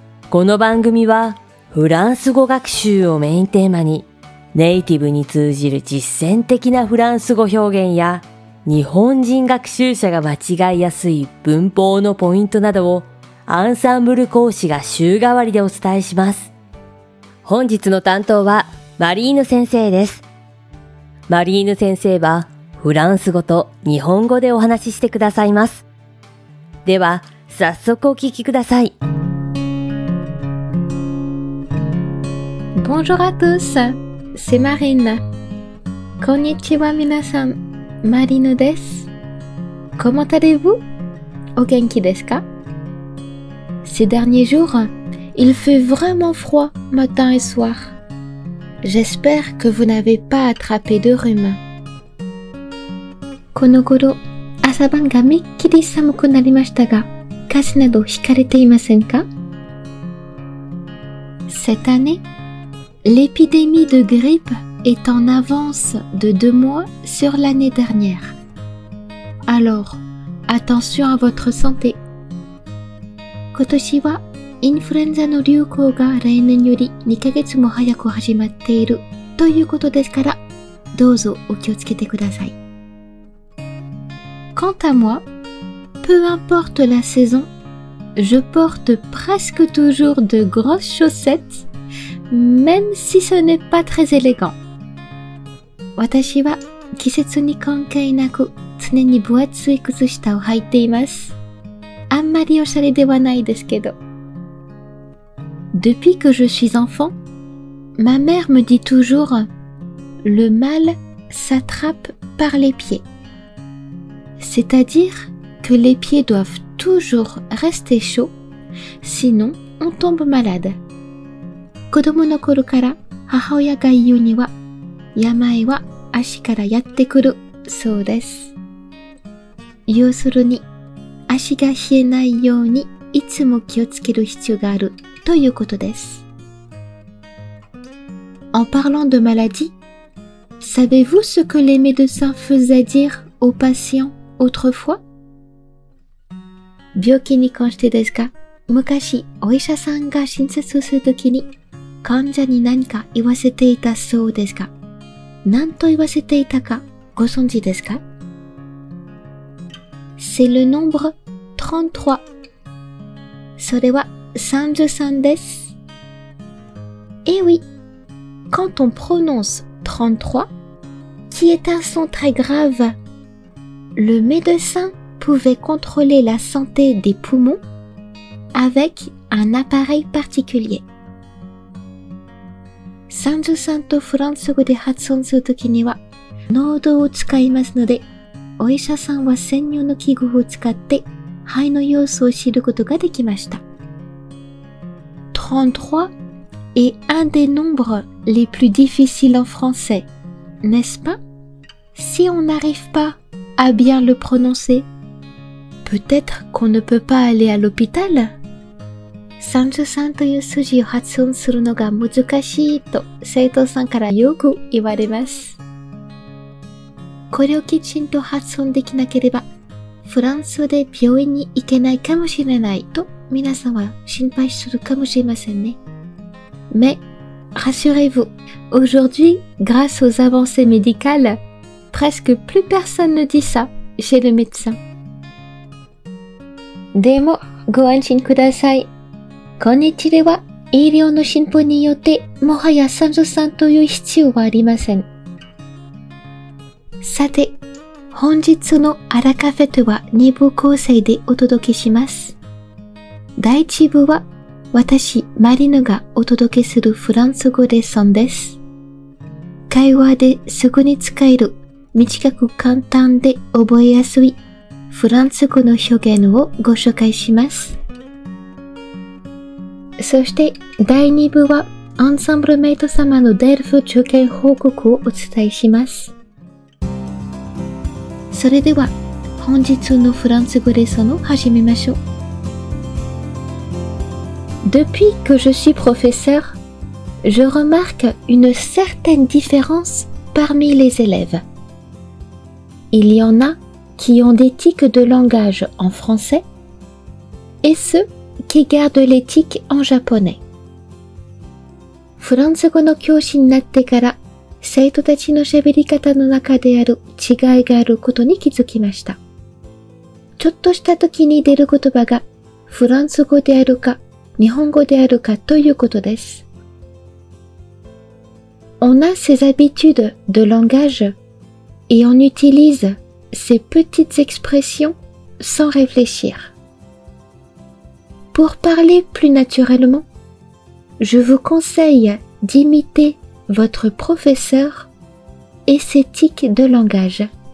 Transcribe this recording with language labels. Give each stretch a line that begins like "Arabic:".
Japanese: この番組はフランス語学習をメインテーマに、ネイティブに通じる実践的なフランス語表現や、日本人学習者が間違いやすい文法のポイントなどをアンサンブル講師が週替わりでお伝えします。本日の担当はマリーヌ先生です。マリーヌ先生はフランス語と日本語でお話ししてくださいます。では早速お聞きください。
French: Bonjour à tous, c'est Marine.
Japanese: こんにちは皆さん、マリーヌです。
French: Comment allez-vous?
Japanese: お元気ですか?
French: Ces derniers jours, il fait vraiment froid matin et soir. J'espère que vous n'avez pas attrapé de rhume.
Japanese: この頃、朝晩がめっきり寒くなりましたが、風邪などひかれていませんか?
French: Cette année, l'épidémie de grippe est en avance de 2 mois sur l'année dernière. Alors, attention à votre santé.
Japanese: 今年はインフルエンザの流行が例年より2ヶ月も早く始まっているということですから、どうぞお気をつけてください。
French: Quant à moi, peu importe la saison, je porte presque toujours de grosses chaussettes, même si ce n'est pas très élégant.
Japanese: 私は季節に関係なく常に分厚い靴下を履いています。あんまりおしゃれではないですけど。
French: Depuis que je suis enfant, ma mère me dit toujours, le mal s'attrape par les pieds. C'est-à-dire que les pieds doivent toujours rester chauds, sinon on tombe malade.
Japanese: 子供の頃から母親が言うには、病は足からやってくるそうです。要するに、足が冷えないようにいつも気をつける必要があるということです。
French: En parlant de maladie, savez-vous ce que les médecins faisaient dire aux patientsAutrefois?
Japanese: 病気に関してですが、昔お医者さんが診察するときに患者に何か言わせていたそうですが、何と言わせていたかご存知ですか?
French: C'est le nombre 33.
Japanese: それは33です。
French: Eh oui, quand on prononce 33, qui est un son très graveLe médecin pouvait contrôler la santé des poumons avec un appareil particulier.
Japanese: 33とフランス語で発音するときには、喉を使いますので、お医者さんは専用の器具を使って肺の様子を知ることができました。
French: 33 est un des nombres les plus difficiles en français, n'est-ce pas? Si on n'arrive pas,à bien le prononcer. Peut-être qu'on ne peut pas aller à l'hôpital.
Japanese: 33という数字を発音するのが難しいと生徒さんからよく言われます。これをきちんと発音できなければ、フランスで病院に行けないかもしれないと皆さんは心配するかもしれませんね。
French: Mais, rassurez-vous, aujourd'hui, grâce aux avancées médicales,Presque plus personne ne dit ça chez le médecin.
Japanese: でも、ご安心ください。今日では、医療の進歩によって、もはや33という必要はありません。さて、本日のアラカフェとは2部構成でお届けします。第1部は、私、マリヌがお届けするフランス語レッスンです。会話ですぐに使える短く簡単で覚えやすいフランス語の表現をご紹介します。そして第2部はアンサンブルメイト様のデルフ受験報告をお伝えします。それでは本日のフランス語レッスンを始めましょう。
French: Depuis que je suis professeur, je remarque une certaine différence parmi les élèves. Il y en a qui ont des tics de langage en français et ceux qui gardent les tics en japonais.
Japanese: フランス語の教師になってから、生徒たちの喋り方の中である違いがあることに気づきました。ちょっとした時に出る言葉がフランス語であるか、日本語であるかということです。
French: On a ses habitudes de langage et on utilise ses petites expressions sans réfléchir. Pour parler plus naturellement, je vous conseille d'imiter votre professeur et ses tics de langage.